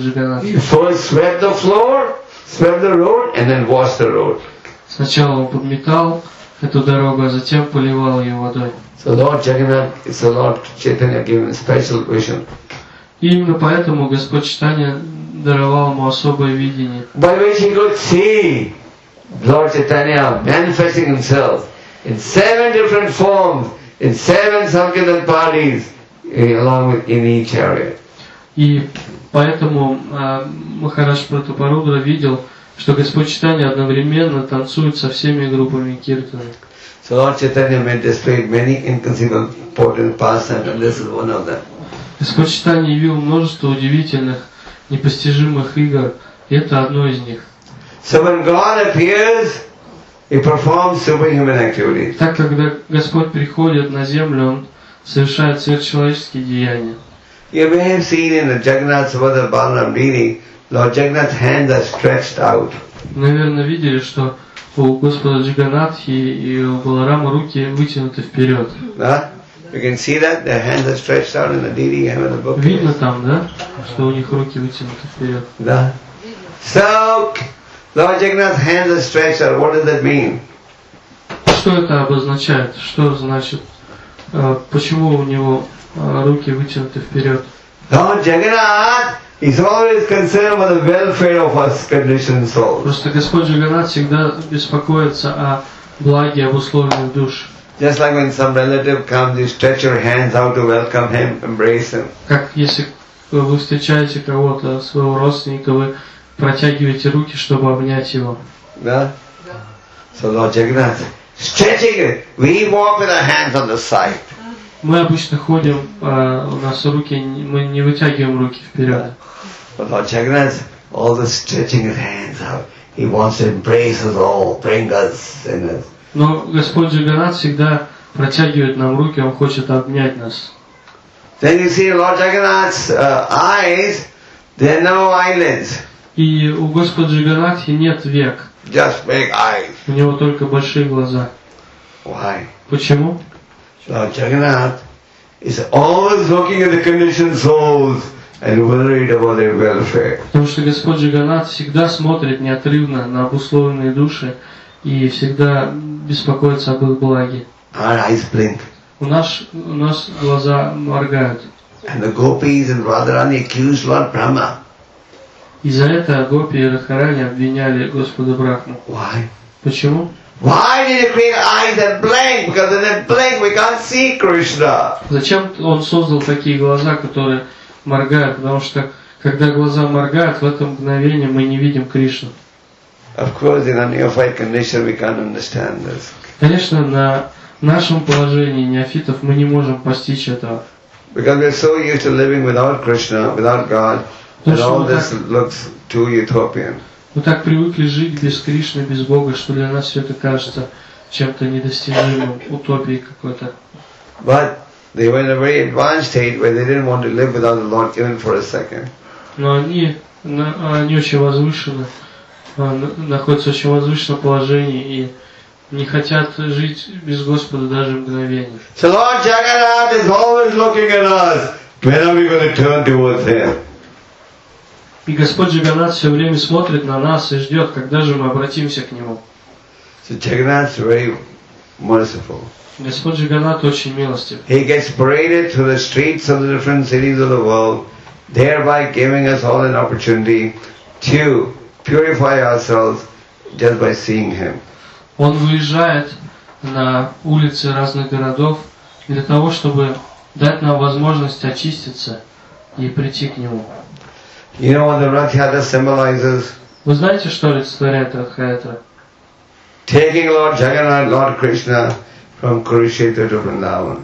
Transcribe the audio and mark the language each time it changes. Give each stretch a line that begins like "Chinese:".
Russian: Джаганнатху. Сначала он подметал эту дорогу, а затем поливал ее водой.
English: So Lord Jagannath, so Lord Chaitanya gave him special vision.
Russian: И именно поэтому Господь Чайтанья даровал ему особое видение.
English: By which he could see Lord Chaitanya manifesting himself in 7 different forms. In 7 sankirtan parties, along with in each area.
Russian: И поэтому Махарадж Пратапарудра видел, что Господь Чайтанья одновременно танцует со всеми группами киртана.
English: So Lord Chaitanya may display many inconceivable important pastimes, and this is one of them.
Russian: Господь Чайтанья явил множество удивительных, непостижимых игр, и это одно из них.
English: So when God appears, he performs superhuman activities.
Russian: Так, когда Господь приходит на землю, он совершает сверхчеловеческие деяния.
English: You may have seen in the Jagannath Subhadra Balarama, Lord Jagannath's hands are stretched out.
Russian: Наверное, видели, что у Господа Джаганатхи и у Баларамы руки вытянуты вперед. Да?
English: You can see that their hands are stretched out in the deity and in the book.
Russian: Видно там, да, что у них руки вытянуты вперед. Да.
English: So Lord Jagannath's hands are stretched out. What does that mean?
Russian: Что это обозначает? Что значит? Почему у него руки вытянуты вперед?
English: Lord Jagannath is always concerned with the welfare of us conditioned souls.
Russian: Просто Господь Джаганнат всегда беспокоится о благе, об условиях душ.
English: Just like when some relative comes, you stretch your hands out to welcome him, embrace him.
Russian: Как если вы встречаете кого-то, своего родственника, вы протягиваете руки, чтобы обнять его. Да?
English: So Lord Jagannath, stretching it, we walk with our hands on the side.
Russian: Мы обычно ходим, у нас руки, мы не вытягиваем руки вперед.
English: But Lord Jagannath, all the stretching his hands out, he wants to embrace us all, bring us in it.
Russian: Но Господь Джаганнат всегда протягивает нам руки, он хочет обнять нас.
English: Then you see Lord Jagannath's eyes, There are no islands.
Russian: И у Господа Джаганнатхи нет век.
English: Just big eyes.
Russian: У него только большие глаза.
English: Why?
Russian: Почему?
English: So Jagannath is always looking at the conditioned souls and worried about their welfare.
Russian: Потому что Господь Джаганнат всегда смотрит неотрывно на обусловленные души и всегда беспокоится об их благе.
English: Our eyes blink.
Russian: У нас глаза моргают.
English: And the gopis and Radharani accused Lord Brahma.
Russian: И за это гопи и Радхарани обвиняли Господа Брахму.
English: Why?
Russian: Почему?
English: Why did he create eyes that blink? Because in that blink we can't see Krishna.
Russian: Зачем он создал такие глаза, которые моргают? Потому что когда глаза моргают, в это мгновение мы не видим Кришну.
English: Of course, in a neophyte condition, we can't understand this.
Russian: Конечно, на нашем положении неофитов мы не можем постичь этого.
English: Because we're so used to living without Krishna, without God. And all this looks too utopian.
Russian: Мы так привыкли жить без Кришны, без Бога, что для нас все это кажется чем-то недостижимым, утопией какой-то.
English: But they were in a very advanced state where they didn't want to live without the Lord even for a second.
Russian: Но они очень возвышены, находятся в очень возвышенном положении и не хотят жить без Господа даже мгновение.
English: So Lord Jagannath is always looking at us. When are we going to turn towards Him?
Russian: И Господь Джаганнат все время смотрит на нас и ждет, когда же мы обратимся к Нему.
English: So Jagannath is very merciful.
Russian: Господь Джаганнат очень милостив.
English: He gets paraded through the streets of the different cities of the world, thereby giving us all an opportunity to purify ourselves just by seeing Him.
Russian: Он выезжает на улицы разных городов для того, чтобы дать нам возможность очиститься и прийти к Нему.
English: You know what the Radhyatra symbolizes?
Russian: Вы знаете, что олицетворяет Радхаятра?
English: Taking Lord Jagannath, Lord Krishna, from Kurukshetra to Vrindavan.